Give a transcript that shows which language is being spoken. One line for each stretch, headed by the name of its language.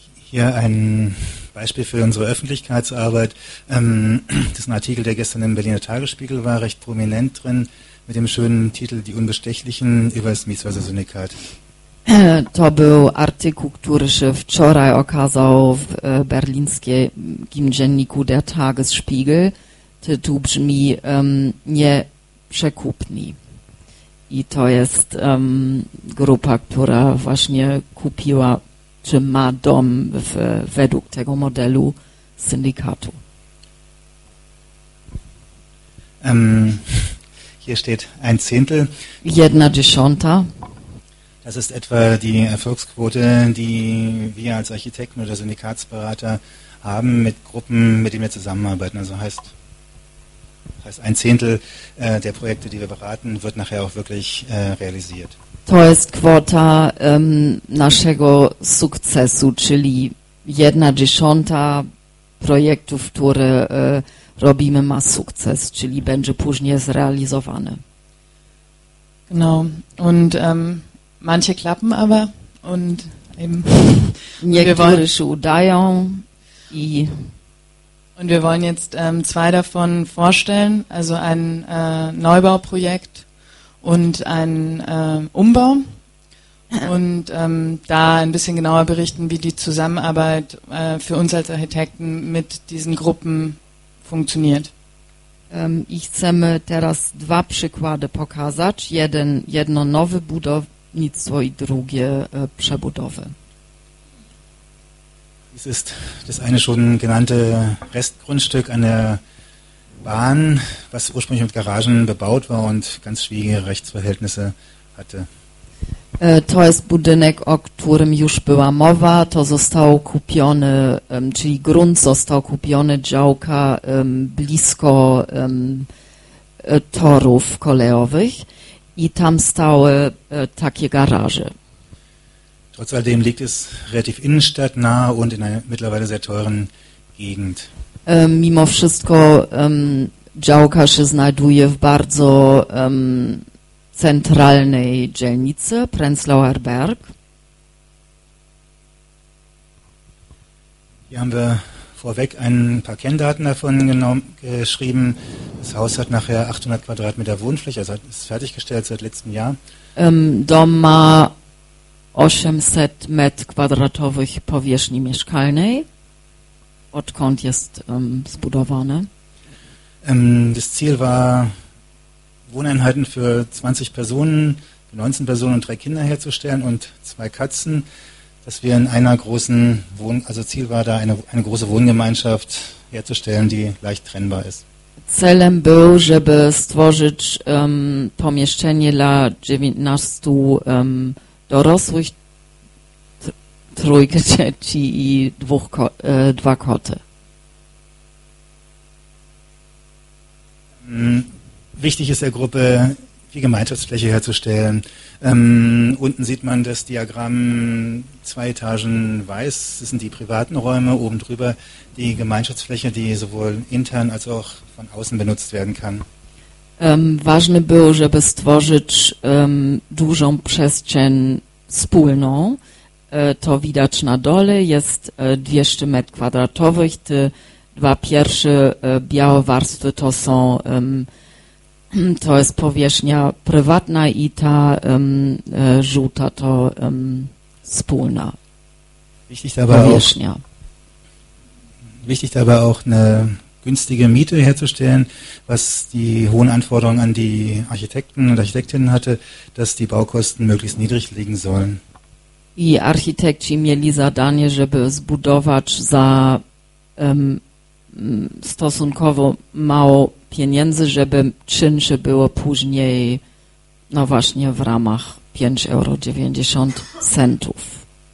German: Hier ein Beispiel für unsere Öffentlichkeitsarbeit. Das ist ein Artikel, der gestern im Berliner Tagesspiegel war, recht prominent drin. mit dem schönen Titel Die Unbestechlichen über das Miesweiser-Syndikat.
Polish: To był artykuł, który się wczoraj okazał w berlińskim dzienniku Der Tagesspiegel. Tytuł brzmi Nieprzekupni. I to jest grupa, która właśnie kupiła, czy ma dom według tego modelu syndykatu.
German: Hier steht ein Zehntel.
Polish: Jedna dziesiąta.
German: Das ist etwa die Erfolgsquote, die wir als Architekten oder Syndikatsberater haben mit Gruppen, mit denen wir zusammenarbeiten. Also heißt ein Zehntel der Projekte, die wir beraten, wird nachher auch wirklich realisiert.
Polish: To jest kwota naszego sukcesu, czyli jedna dziesiąta projektów, które robimy, ma sukces, czyli będzie później zrealizowane.
German: Genau. Und manche klappen aber und eben.
Polish: Niektóre się udają i.
German: Und wir wollen jetzt zwei davon vorstellen, also ein Neubauprojekt und ein Umbau. Und da ein bisschen genauer berichten, wie die Zusammenarbeit für uns als Architekten mit diesen Gruppen funktioniert.
Polish: I chcemy teraz dwa przykłady pokazać. Jedno nowe budownictwo i drugie przebudowy.
German: Es ist das eine schon genannte Restgrundstück an der Bahn, was ursprünglich mit Garagen bebaut war und ganz schwierige Rechtsverhältnisse hatte.
Polish: To jest budynek, o którym już była mowa. To zostało kupione, czyli grunt został kupiony, działka blisko torów kolejowych i tam stały takie garaże.
German: Trotz all dem liegt es relativ innenstadtnah und in einer mittlerweile sehr teuren Gegend.
Polish: Mimo wszystko działka się znajduje w bardzo zentralnej dzielnicy, Prenzlauer Berg.
German: Hier haben wir vorweg ein paar Kenndaten davon geschrieben. Das Haus hat nachher 800 Quadratmeter Wohnfläche, also ist fertiggestellt seit letztem Jahr.
Polish: Dom ma 800 metr kwadratowych powierzchni mieszkalnej, odkąd jest zbudowane.
German: Das Ziel war, Wohneinheiten für 20 Personen, 19 Personen und 3 Kinder herzustellen und 2 Katzen, dass wir in einer großen Ziel war da eine große Wohngemeinschaft herzustellen, die leicht trennbar ist.
Polish: Celem był, żeby stworzyć pomieszczenie dla 19 dorosłych, trójkę dzieci i dwa koty.
German: Wichtig ist der Gruppe, die Gemeinschaftsfläche herzustellen. Unten sieht man das Diagramm, 2 Etagen weiß, das sind die privaten Räume, oben drüber die Gemeinschaftsfläche, die sowohl intern als auch von außen benutzt werden kann.
Polish: Ważne było, żeby stworzyć dużą przestrzeń wspólną. To widać na dole, jest 200 metr kwadratowych. Te dwa pierwsze białe warstwy to są, to jest powierzchnia prywatna i ta żółta to wspólna powierzchnia.
German: Wichtig dabei auch eine günstige Miete herzustellen, was die hohen Anforderungen an die Architekten und Architektinnen hatte, dass die Baukosten möglichst niedrig liegen sollen.
Polish: I architekci mieli zadanie, żeby zbudować za stosunkowo mało pieniędzy, żeby czynsze było później, no właśnie, w ramach 5,90 centów.